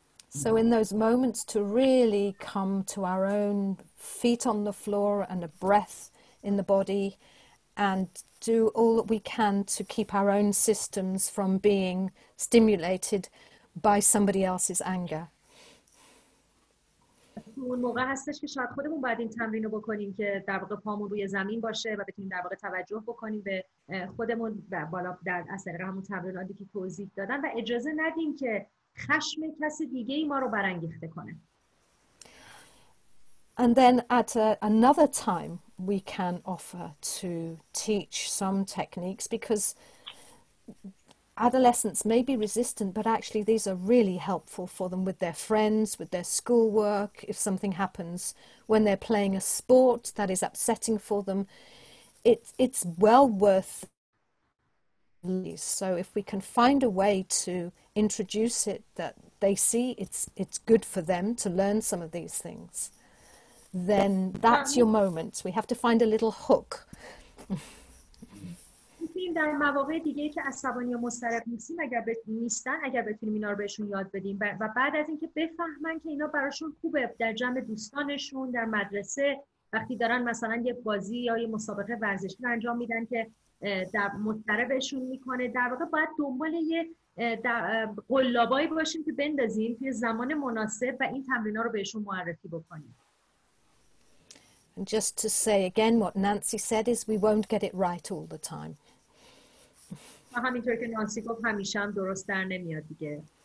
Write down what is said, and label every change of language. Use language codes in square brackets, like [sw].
[en] So in those moments to really come to our own feet on the floor and a breath in the body and do all that we can to keep our own systems from being stimulated by somebody else's anger. [fa] اون موقع هستش که شاید خودمون باید این تمرین رو بکنیم که در واقع پامون روی زمین باشه و بتونیم در واقع توجه بکنیم به خودمون و بالا در اثر همون تمریناتی که توضیح دادن و اجازه ندیم که خشم کسی دیگه ای ما رو برانگیخته کنه. [en] And then at another time we can offer to teach some techniques because adolescents may be resistant, but actually these are really helpful for them with their friends, with their schoolwork. If something happens when they're playing a sport that is upsetting for them, it's well worth it. So if we can find a way to introduce it that they see it's good for them to learn some of these things, then that's your moment. We have to find a little hook. [fa] در مواقع دیگه که عصبانی و مضطرب نیستیم اگر نیستن اگر بتونیم اینا رو بهشون یاد بدیم و بعد از اینکه بفهمن که اینا براشون خوبه در جمع دوستانشون در مدرسه وقتی دارن مثلا یه بازی یا یه مسابقه ورزشی رو انجام میدن که در مضطربشون میکنه، در واقع باید دنبال یه قلابایی باشیم که بندازیم توی زمان مناسب و این تمرینا رو بهشون معرفی بکنیم. [en] And just to say again what Nancy said is we won't get it right all the time. [fa] و همینطور که نانسی گفت همیشه هم درست در نمیاد دیگه.